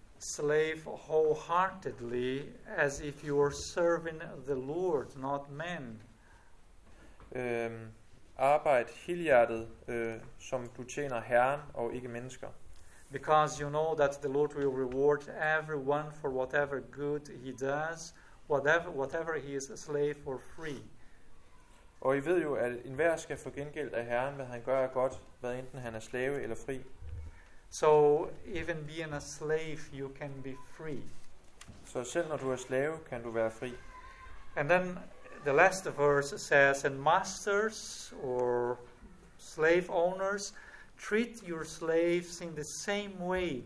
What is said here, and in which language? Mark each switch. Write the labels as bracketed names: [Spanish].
[English] Slave wholeheartedly, as if you were serving the Lord, not men. [Danish] Arbejd helhjertet, som du tjener Herren og ikke mennesker. [English] Because you know that the Lord will reward everyone for whatever good he does, whatever he is, a slave or free. [Danish] Og I ved jo, at enhver skal få gengæld af Herren, hvad han gør er godt, hvad enten han er slave eller fri. [English] So even being a slave, you can be free. [Danish] Så selv når du er slave, kan du være fri. [English] And then the last verse says, and masters or slave owners, treat your slaves in the same way.